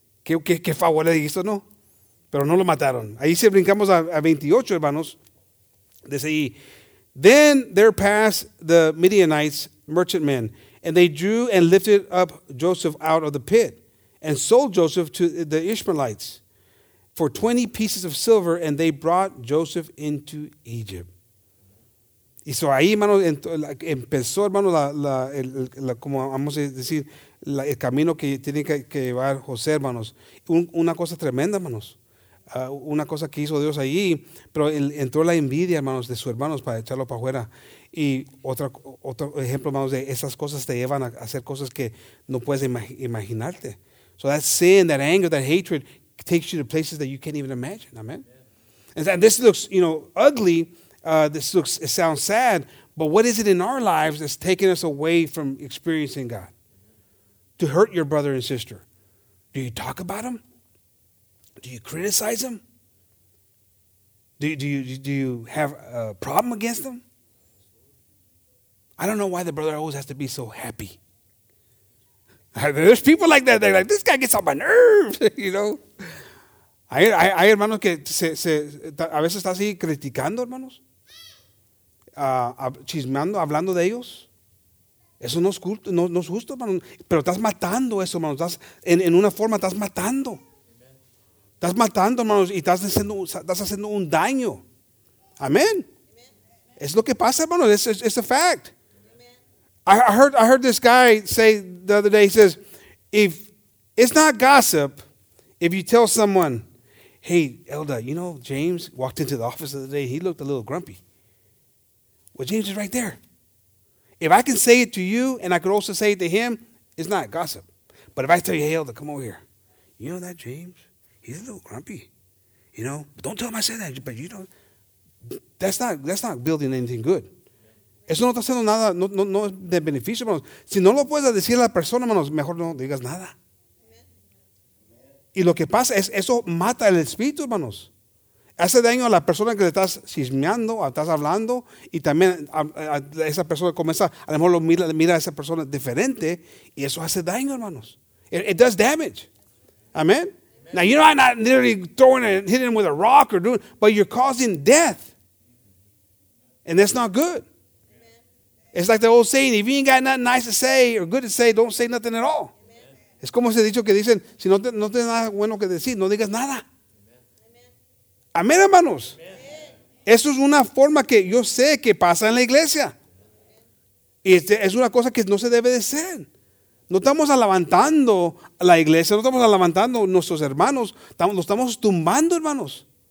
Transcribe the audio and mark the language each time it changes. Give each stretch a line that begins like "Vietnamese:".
Spanish: ¿Qué favor le hizo, no? Pero no lo mataron. Ahí se brincamos a 28, hermanos. Dice ahí.
English: Then there passed the Midianites, merchantmen, and they drew and lifted up Joseph out of the pit and sold Joseph to the Ishmaelites for 20 pieces of silver, and they brought Joseph into Egypt.
Spanish: Y so ahí, hermanos, empezó, hermanos, como vamos a decir, el camino que tiene que llevar José, hermanos. Una cosa tremenda, hermanos. Una cosa que hizo Dios allí, pero entró la envidia, hermanos, de sus hermanos para echarlo para afuera. Y otro ejemplo, hermanos, de esas cosas te llevan a hacer cosas que no puedes imaginarte.
English: So that sin, that anger, that hatred takes you to places that you can't even imagine. Amen. Yeah. And this looks, you know, ugly. It sounds sad, but what is it in our lives that's taking us away from experiencing God? To hurt your brother and sister. Do you talk about them? Do you criticize them? Do you have a problem against them? I don't know why the brother always has to be so happy. There's people like that. They're like, this guy gets on my nerves, you know?
Spanish: Hay hermanos que a veces está así criticando, hermanos. Chismeando, hablando de ellos. Eso no es culto, no es justo, hermano. Pero estás matando eso, hermano. Estás, en una forma estás matando. Amen. Estás matando, hermanos, y estás haciendo un daño. Amén. Es lo que pasa, hermano.
English: It's a fact.
Spanish: Amen.
English: I heard this guy say the other day, he says, if it's not gossip, if you tell someone, hey, Elda, you know, James walked into the office the other day, he looked a little grumpy. Well, James is right there. If I can say it to you and I could also say it to him, it's not gossip. But if I tell you, hey, Elder, come over here. You know that James? He's a little grumpy. You know? But don't tell him I said that. But you know, that's not building anything good.
Spanish: Eso no está haciendo nada, no es de beneficio, hermanos. Si no lo puedes decir a la persona, hermanos, mejor no digas nada. Y lo que pasa es, eso mata el espíritu, hermanos. Hace daño a la persona que le estás chismeando, estás hablando, y también a esa persona comienza, a lo mejor lo mira a esa persona diferente, y eso hace daño, hermanos.
English: It does damage. Amen. Now, you know, I'm not literally throwing it, hitting him with a rock or doing, but you're causing death. And that's not good. Amen. It's like the old saying, if you ain't got nothing nice to say or good to say, don't say nothing at all.
Spanish: Amen. Es como ese dicho que dicen, si no no tienes nada bueno que decir, no digas nada. Amén, hermanos. Amen. Eso es una forma que yo sé que pasa en la iglesia. Y es una cosa que no se debe de ser. No estamos levantando la iglesia, no estamos levantando nuestros hermanos, nos estamos tumbando, hermanos.